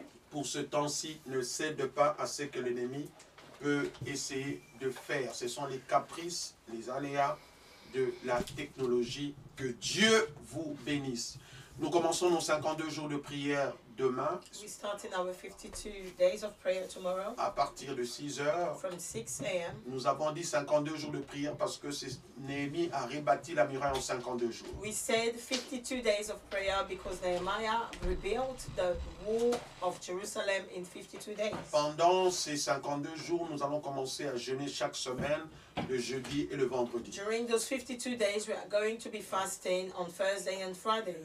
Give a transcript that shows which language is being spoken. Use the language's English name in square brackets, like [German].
[French] Pour ce temps-ci, ne cède pas à ce que l'ennemi peut essayer de faire. Ce sont les caprices, les aléas de la technologie. Que Dieu vous bénisse. Nous commençons nos 52 jours de prière demain. [English] We start in our 52 days of prayer tomorrow. [French] À partir de 6 heures. [English] From 6 a.m. [French] Nous avons dit 52 jours de prière parce que Néhémie a rebâti la muraille en 52 jours. [English] We said 52 days of prayer because Nehemiah rebuilt the wall of Jerusalem in 52 days. [French] Pendant ces 52 jours, nous allons commencer à jeûner chaque semaine, le jeudi et le vendredi. [English] During those 52 days, we are going to be fasting on Thursday and Friday.